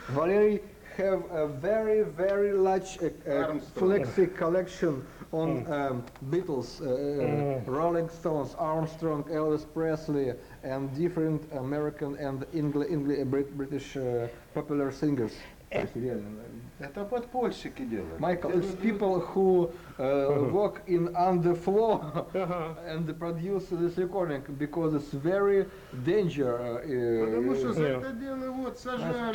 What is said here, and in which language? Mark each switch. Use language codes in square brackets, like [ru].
[en] Valery have a very very large flexi collection on Beatles, Rolling Stones, Armstrong, Elvis Presley, and different American and British popular singers. [ru] Это подпольщики делают. [en] Michael, it's people who work in on the floor and produce this recording because it's very dangerous. [ru] Потому что за это дело вот сажали.